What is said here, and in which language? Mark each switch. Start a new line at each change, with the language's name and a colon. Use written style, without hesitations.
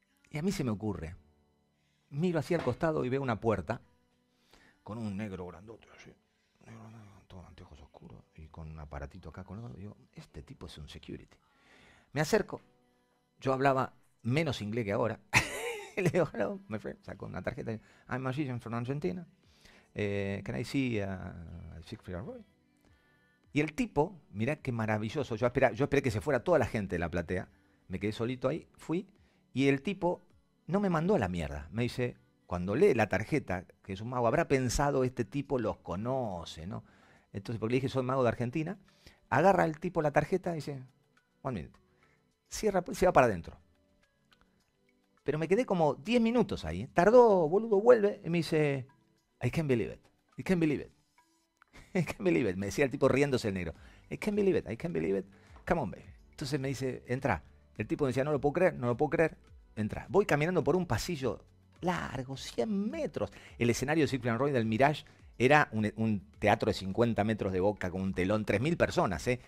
Spanish: Y a mí se me ocurre, miro hacia el costado y veo una puerta con un negro grandote así, negro, negro, todo anteojos oscuros y con un aparatito acá colgado. Digo, este tipo es un security. Me acerco, yo hablaba menos inglés que ahora. Le digo,
English: hello, my friend,
Spanish: saco una tarjeta.
English: I'm a magician from Argentina. Can I see a Siegfried and Roy?
Spanish: Y el tipo, mirá qué maravilloso. Yo esperé que se fuera toda la gente de la platea. Me quedé solito ahí, fui. Y el tipo no me mandó a la mierda. Me dice, cuando lee la tarjeta, que es un mago, habrá pensado este tipo los conoce, ¿no? Entonces, porque le dije, soy mago de Argentina, agarra el tipo la tarjeta y dice,
English: 1 minute.
Spanish: Cierra, pues, se va para adentro. Pero me quedé como 10 minutos ahí. Tardó, boludo, vuelve y me dice,
English: I can't believe it. I can't believe it. I can't believe it.
Spanish: Me decía el tipo riéndose el negro.
English: I can't believe it. I can't believe it. Come on, baby.
Spanish: Entonces me dice, entra. El tipo me decía, no lo puedo creer, no lo puedo creer. Entra. Voy caminando por un pasillo largo, 100 metros. El escenario de Siegfried and Roy del Mirage era un teatro de 50 metros de boca con un telón, 3.000 personas, ¿eh?